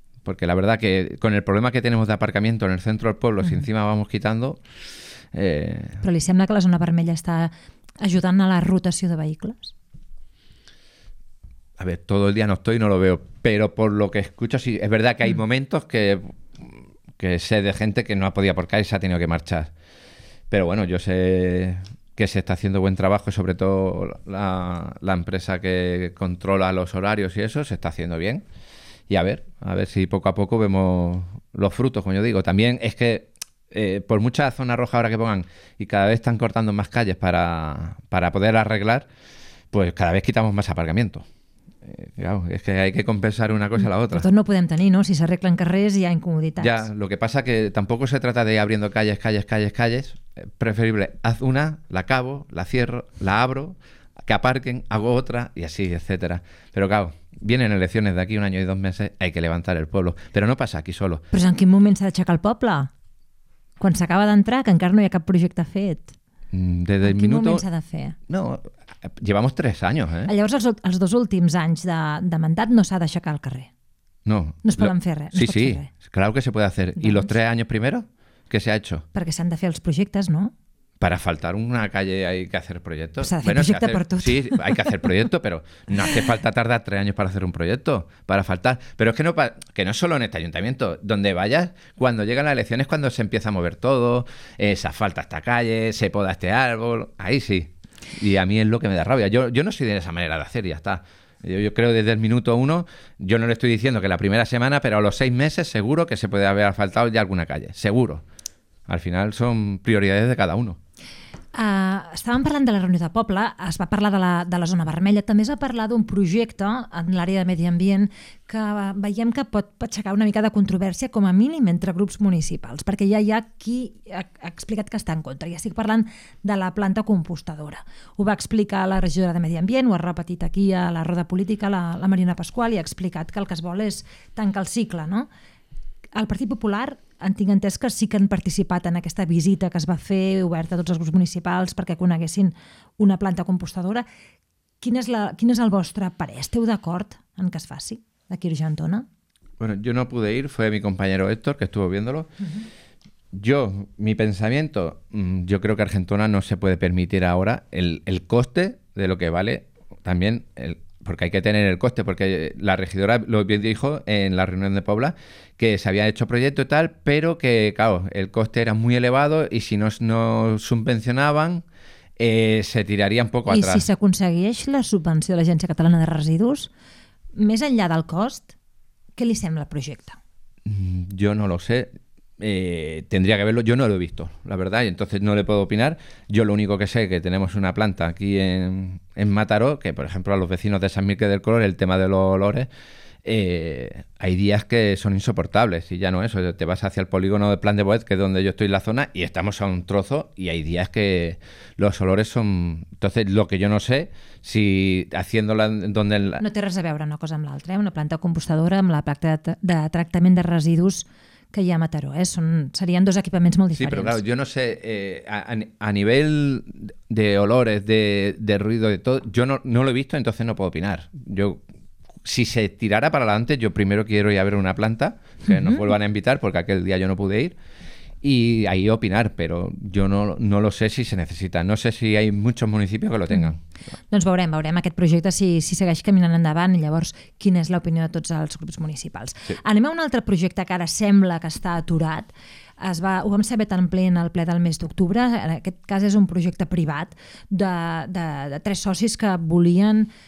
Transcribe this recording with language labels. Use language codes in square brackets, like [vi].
[es] Porque la verdad que con el problema que tenemos de aparcamiento en el centro del pueblo, uh-huh. si encima vamos quitando... [ca] Però li sembla que la zona vermella està ajudant a la rotació de vehicles? [es] A ver, todo el día no estoy, no lo veo, pero por lo que escucho, sí, es verdad que hay momentos que sé de gente que no ha podido aparcar y se ha tenido que marchar. Pero bueno, yo sé que se está haciendo buen trabajo, sobre todo la empresa que controla los horarios y eso, se está haciendo bien. Y a ver si poco a poco vemos los frutos, como yo digo. También es que por mucha zona roja ahora que pongan y cada vez están cortando más calles para poder arreglar, pues cada vez quitamos más aparcamiento. Claro, es que hay que compensar una cosa a la otra. Nosotros no podemos tener, ¿no? Si se arreglan carreras y hay incomodidades. Ya, lo que pasa es que tampoco se trata de ir abriendo calles. Preferible, haz una, la acabo, la cierro, la abro, que aparquen, hago otra y así, etcétera. Pero claro, vienen elecciones de aquí 1 año y 2 meses, hay que levantar el pueblo. Pero no pasa aquí solo. [ca] Però en quin moment s'ha d'aixecar el poble? Quan s'acaba d'entrar, que encara no hi ha cap projecte fet. Des del minut... En quin moment s'ha de fer? [es] No... Llevamos 3 años, ¿eh? [ca] Llavors, els 2 últims anys de mandat no s'ha d'aixecar al carrer. No. No es poden fer res. Sí, sí. [es] Claro que se puede hacer. ¿Y los 3 años primero? ¿Qué se ha hecho? [ca] Perquè s'han de fer els projectes, no? [es] Para faltar una calle hay que hacer proyectos. [ca] S'ha de fer projecte per tot. [es] Sí, hay que hacer proyecto, pero no hace falta tardar 3 años para hacer un proyecto. Para faltar. Pero es que no solo en este ayuntamiento. Donde vayas, cuando llegan las elecciones, cuando se empieza a mover todo, se asfalta esta calle, se poda este árbol, ahí sí. Y a mí es lo que me da rabia. Yo no soy de esa manera de hacer, ya está. Yo creo desde el minuto uno, yo no le estoy diciendo que la primera semana, pero a los 6 meses seguro que se puede haber asfaltado ya alguna calle. Seguro. Al final son prioridades de cada uno. [ca] Estàvem parlant de la reunió de poble, es va parlar de la zona vermella, també es va parlar d'un projecte en l'àrea de medi ambient que veiem que pot aixecar una mica de controvèrsia com a mínim entre grups municipals, perquè ja hi ha qui ha explicat que està en contra. Ja estic parlant de la planta compostadora. Ho va explicar la regidora de medi ambient, ho ha repetit aquí a la roda política la Mariona Pascual, i ha explicat que el que es vol és tancar el cicle, no? El Partit Popular... En tinc entès que sí que han participat en aquesta visita que es va fer oberta a tots els grups municipals perquè coneguessin una planta compostadora. Quin és el vostre parer? Esteu d'acord en que es faci aquí a Argentona? [es] Bueno, yo no pude ir, fue mi compañero Héctor que estuvo viéndolo. Uh-huh. Yo, mi pensamiento, yo creo que Argentona no se puede permitir ahora el coste de lo que vale también el... Porque hay que tener el coste, porque la regidora lo dijo en la reunión de Pobla que se había hecho proyecto y tal, pero que, claro, el coste era muy elevado y si no subvencionaban, se tiraría un poco atrás. [ca] I si s'aconsegueix la subvenció de l'Agència Catalana de Residus, més enllà del cost, què li sembla el projecte? [es] Yo no lo sé. Tendría que verlo. Yo no lo he visto, la verdad, y entonces no le puedo opinar. Yo lo único que sé es que tenemos una planta aquí en Mataró, que por ejemplo a los vecinos de San Mirque del Color, el tema de los olores, hay días que son insoportables, y ya no eso, te vas hacia el polígono de Plan de Boet, que es donde yo estoy en la zona, y estamos a un trozo, y hay días que los olores son... Entonces, lo que yo no sé, si haciéndola donde... [ca] No té res a veure una cosa amb l'altra, una planta compostadora amb la planta de tractament de residus que hi ha a Mataró, serien dos equipaments molt diferents. Sí, però clar, jo no sé, [es] a nivell de olores, de ruido, [ca] de tot, jo no l'he vist, [es] entonces [ca] no puc opinar. [es] Jo, si se tirara para adelante, yo primero quiero ir a ver una planta, que nos vuelvan a invitar, porque aquel día yo no pude ir, y ahí opinar, pero yo no lo sé si se necesita. No sé si hay muchos municipios que lo tengan. [ca] Doncs veurem aquest projecte si segueix caminant endavant, i llavors quina és l'opinió de tots els grups municipals. Sí. Anem a un altre projecte que ara sembla que està aturat. Ho vam saber tan ple en el ple del mes d'octubre. En aquest cas és un projecte privat de tres socis que volien...